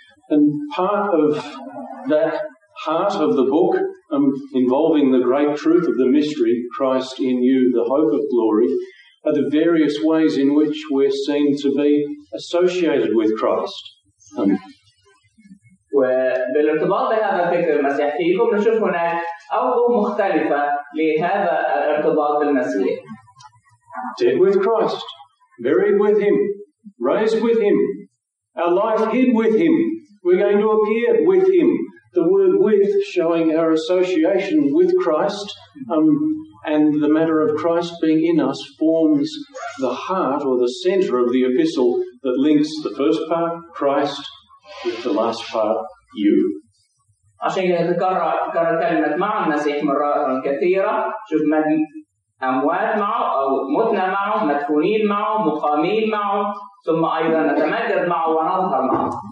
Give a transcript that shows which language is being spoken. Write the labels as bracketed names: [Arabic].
[English] And part of that heart of the book involving the great truth of the mystery, Christ in you, the hope of glory, are the various ways in which we're seen to be associated with Christ. [Arabic] وبالارتباط بهذا الفكر المسيح فيكم نشوف هناك أوجه مختلفة لهذا الارتباط بالمسيح. [English] Dead with Christ, buried with Him, raised with Him, our life hid with Him, we're going to appear with Him. The word with showing our association with Christ and the matter of Christ being in us forms the heart or the center of the epistle that links the first part, Christ, with the last part, you. [Arabic] عشان يتكرر كلمة مع المسيح مرارا كثيرة شوف من أموات معه أو متنا معه مدفونين معه مقامين معه ثم أيضا نتمجد معه ونظهر معه.